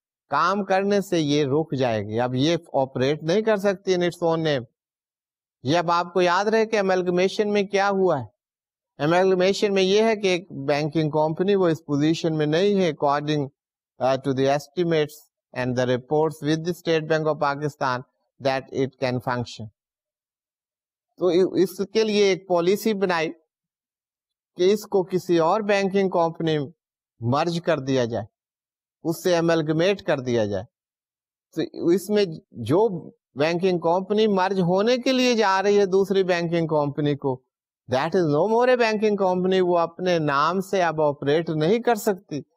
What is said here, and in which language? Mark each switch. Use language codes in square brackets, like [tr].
[hi] काम करने से ये रुक जाएगी, अब ये ऑपरेट नहीं कर सकती [en] In its own name. [hi] ये अब आपको याद रहे कि amalgamation में क्या हुआ है. Amalgamation में ये है कि एक banking company वो इस position में नहीं है [en] according to the estimates and the reports with the State Bank of Pakistan that it can function. [hi] तो इसके लिए एक पॉलिसी बनाई कि इसको किसी और बैंकिंग कंपनी मर्ज कर दिया जाए, उससे एमलगमेट कर दिया जाए. तो इसमें जो बैंकिंग कंपनी मर्ज होने के लिए जा रही है दूसरी बैंकिंग कंपनी को, [en] that is no more a banking company, [hi] वो अपने नाम से अब ऑपरेट नहीं कर सकती.